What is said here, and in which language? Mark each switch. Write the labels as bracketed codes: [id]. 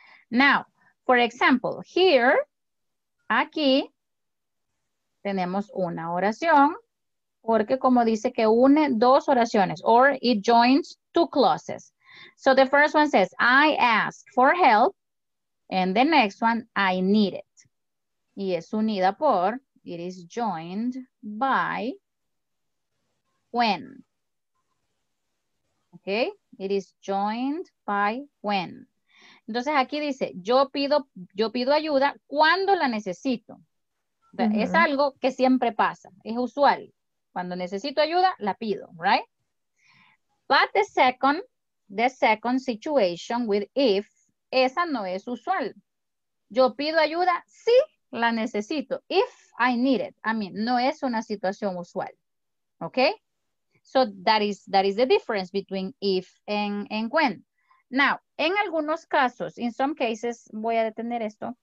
[en] Now, for example, here, [es] aquí, tenemos una oración, porque como dice que une dos oraciones, [en] or it joins two clauses. So the first one says, I asked for help. And the next one, I need it. [es] Y es unida por, [en] it is joined by, when. Okay, it is joined by when. [es] Entonces aquí dice, yo pido ayuda cuando la necesito. Mm-hmm. Es algo que siempre pasa, es usual. Cuando necesito ayuda, la pido, right? [en] But the second situation with if, [es] esa no es usual. Yo pido ayuda si la necesito, [en] if I need it. I mean, [es] no es una situación usual, okay? [en] So that is the difference between if and when. [es] Now, en algunos casos, [en] in some cases, [es] voy a detener esto.